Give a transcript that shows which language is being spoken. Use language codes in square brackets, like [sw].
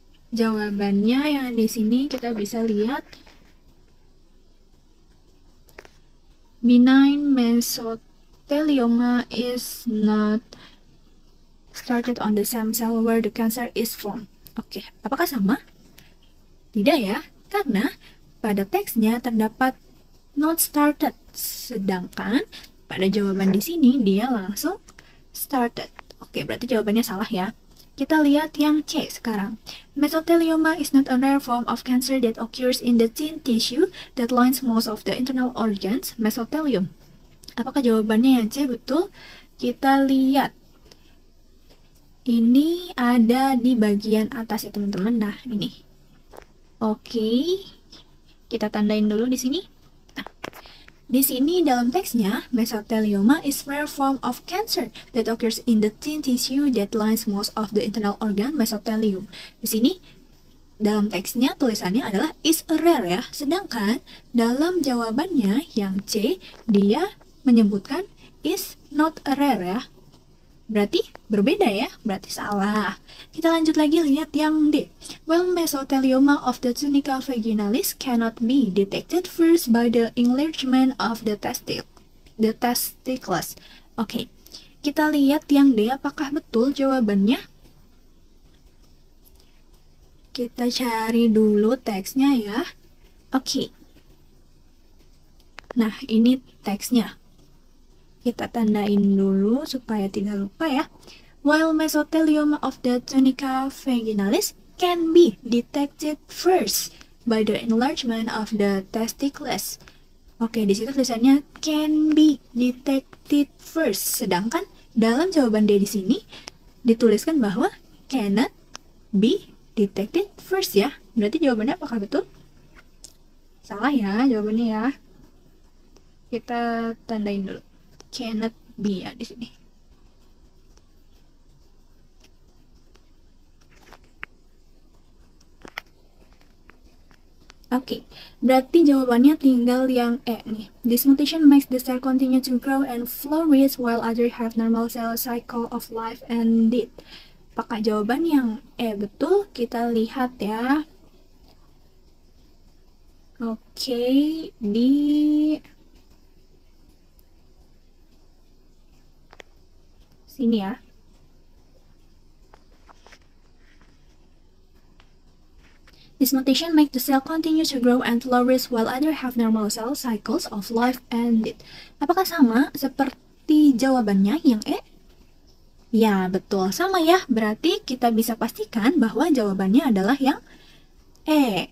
[id] Jawabannya yang di sini kita bisa lihat. [en] Benign mesothelioma is not started on the same cell where the cancer is formed. [id] Oke, apakah sama? Tidak ya, karena pada teksnya terdapat [en] not started, [id] sedangkan pada jawaban di sini dia langsung started. Oke, berarti jawabannya salah ya. Kita lihat yang C sekarang. [en] Mesothelioma is not a rare form of cancer that occurs in the thin tissue that lines most of the internal organs, mesothelium. [id] Apakah jawabannya yang C betul? Kita lihat. Ini ada di bagian atas ya teman-teman. Nah, ini. Oke. Kita tandain dulu di sini. Nah, di sini dalam teksnya, [en] mesothelioma is rare form of cancer that occurs in the thin tissue that lines most of the internal organ mesothelium. [id] Di sini, dalam teksnya tulisannya adalah [en] is a rare [id] ya. Sedangkan, dalam jawabannya yang C, dia menyebutkan [en] is not a rare [id] ya. Berarti berbeda ya, berarti salah. Kita lanjut lagi lihat yang D. [en] Well, mesothelioma of the tunica vaginalis cannot be detected first by the enlargement of the testicles. [id] Oke, kita lihat yang D apakah betul jawabannya. Kita cari dulu teksnya ya. Oke. Nah, ini teksnya. Kita tandain dulu supaya tidak lupa ya. [en] While mesothelioma of the tunica vaginalis can be detected first by the enlargement of the testicles. [id] Oke, di situ tulisannya [en] can be detected first. [id] Sedangkan dalam jawaban D di sini dituliskan bahwa [en] cannot be detected first [id] ya. Berarti jawabannya apakah betul? Salah ya jawabannya ya. Kita tandain dulu. [en] Cannot be [id] ya di sini. Oke, berarti jawabannya tinggal yang E nih. [en] This mutation makes the cell continue to grow and flourish while others have normal cell cycle of life and death. [id] Apakah jawaban yang E betul? Kita lihat ya. Oke, di sini ya. [en] This mutation makes the cell continue to grow and flourish while others have normal cell cycles of life and death. [id] Apakah sama seperti jawabannya yang E? Ya, betul sama ya. Berarti kita bisa pastikan bahwa jawabannya adalah yang E.